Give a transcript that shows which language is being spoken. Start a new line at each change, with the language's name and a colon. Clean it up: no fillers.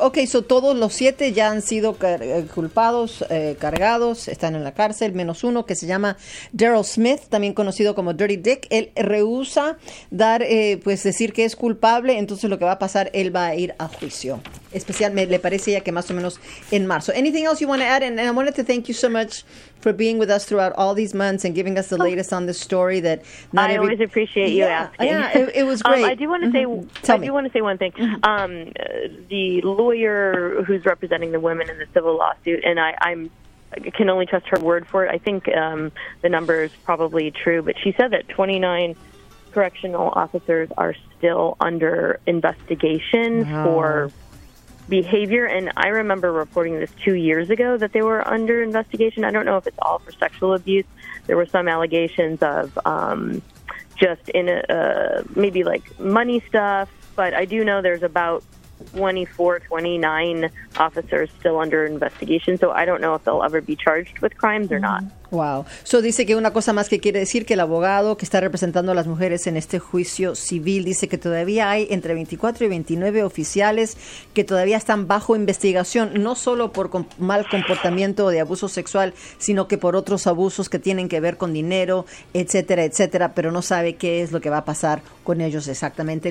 Spanish: Okay, so todos los siete ya han sido culpados, cargados, están en la cárcel, menos uno que se llama Daryl Smith, también conocido como Dirty Dick. Él rehúsa dar, pues decir que es culpable, entonces lo que va a pasar, él va a ir a juicio. Especialmente, le parece ya que más o menos en marzo.
English: Anything else you want to add? And I wanted to thank you so much for being with us throughout all these months and giving us the latest on this story that not I every... always appreciate you asking. Yeah, it was great. I do want to say one thing. The lawyer who's representing the women in the civil lawsuit, and I can only trust her word for it. I think the number is probably true, but she said that 29 correctional officers are still under investigation for behavior, and I remember reporting this 2 years ago that they were under investigation. I don't know if it's all for sexual abuse. There were some allegations of just in a maybe like money stuff, but I do know there's about 24, 29 officers still under investigation, so I don't know if they'll ever be charged with crimes or not. Wow.
Spanish: So dice que una cosa más que quiere decir que el abogado que está representando a las mujeres en este juicio civil dice que todavía hay entre 24 y 29 oficiales que todavía están bajo investigación, no solo por mal comportamiento o de abuso sexual, sino que por otros abusos que tienen que ver con dinero, etcétera, etcétera, pero no sabe qué es lo que va a pasar con ellos exactamente.